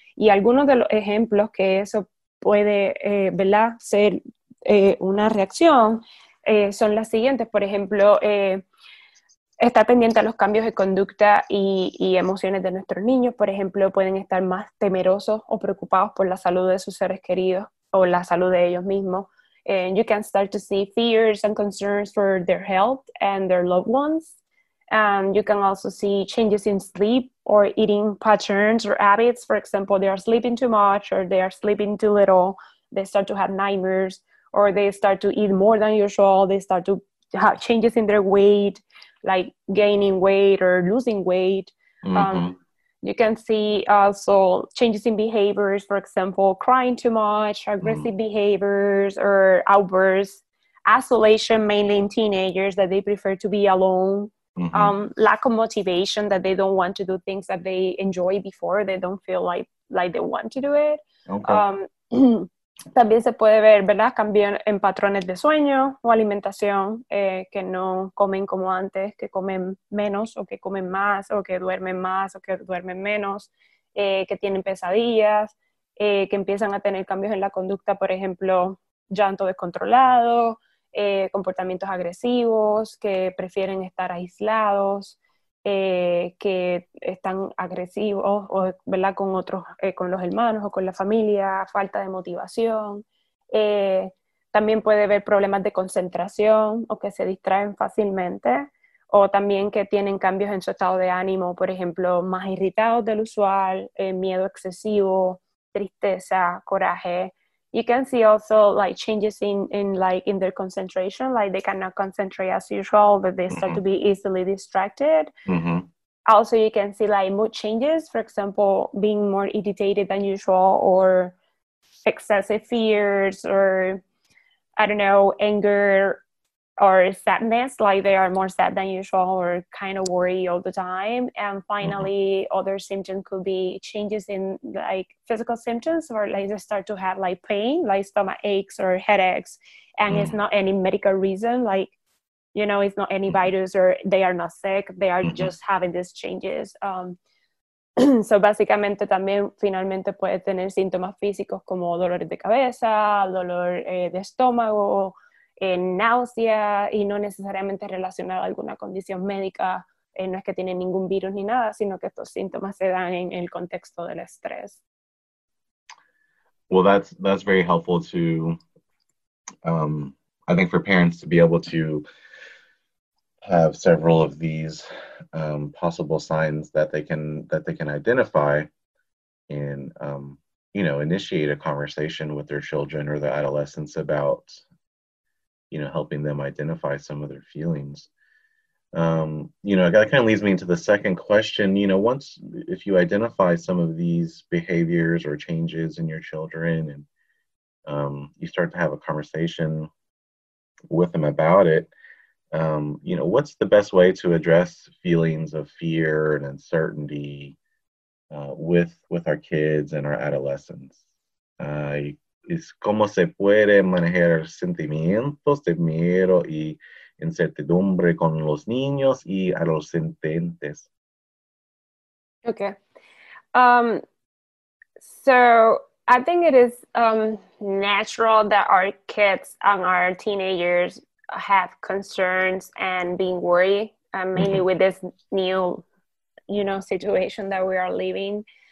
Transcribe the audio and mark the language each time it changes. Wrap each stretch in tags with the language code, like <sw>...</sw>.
<es>Y algunos de los ejemplos que eso puede, ¿verdad?, ser una reacción son las siguientes. Por ejemplo, estar pendiente a los cambios de conducta y emociones de nuestros niños. Por ejemplo, pueden estar más temerosos o preocupados por la salud de sus seres queridos o la salud de ellos mismos.</es> <en>And you can start to see fears and concerns for their health and their loved ones. And you can also see changes in sleep or eating patterns or habits. For example, they are sleeping too much or they are sleeping too little. They start to have nightmares or they start to eat more than usual. They start to have changes in their weight, like gaining weight or losing weight. Mm-hmm. You can see also changes in behaviors, for example, crying too much, aggressive behaviors or outbursts, isolation mainly in teenagers that they prefer to be alone, lack of motivation that they don't want to do things that they enjoy before, they don't feel like they want to do it.</en> <es>Okay. También se puede ver, ¿verdad? Cambian en patrones de sueño o alimentación, que no comen como antes, que comen menos o que comen más o que duermen menos, que tienen pesadillas, que empiezan a tener cambios en la conducta, por ejemplo, llanto descontrolado, comportamientos agresivos, que prefieren estar aislados, que están agresivos, o, ¿verdad?, con otros, con los hermanos o con la familia, falta de motivación. También puede haber problemas de concentración o que se distraen fácilmente, o también que tienen cambios en su estado de ánimo, por ejemplo, más irritados del usual, miedo excesivo, tristeza, coraje.</es> <en>You can see also like changes in their concentration, like they cannot concentrate as usual, but they start to be easily distracted. Mm-hmm. Also, you can see like mood changes, for example, being more irritated than usual or excessive fears or, I don't know, anger or sadness, like they are more sad than usual or kind of worried all the time. And finally, other symptoms could be changes in like physical symptoms or like they start to have like pain, like stomach aches or headaches. And it's not any medical reason, like, you know, it's not any virus or they are not sick. They are just having these changes.</en> <es>So básicamente también finalmente puede tener síntomas físicos como dolores de cabeza, dolor de estómago, en náusea y no necesariamente relacionada a alguna condición médica, no es que tiene ningún virus ni nada, sino que estos síntomas se dan en el contexto del estrés.</es> <en>Well, that's very helpful to, I think, for parents to be able to have several of these possible signs that they can identify and, you know, initiate a conversation with their children or their adolescents about, you know, helping them identify some of their feelings. You know, that kind of leads me into the second question. You know, once, if you identify some of these behaviors or changes in your children and you start to have a conversation with them about it, you know, what's the best way to address feelings of fear and uncertainty with our kids and our adolescents?</en> <es>Es cómo se puede manejar sentimientos de miedo y incertidumbre con los niños y adolescentes. Okay.</es> <en>So I think it is natural that our kids and our teenagers have concerns and being worried, mainly with this new, you know, situation that we are living.</en>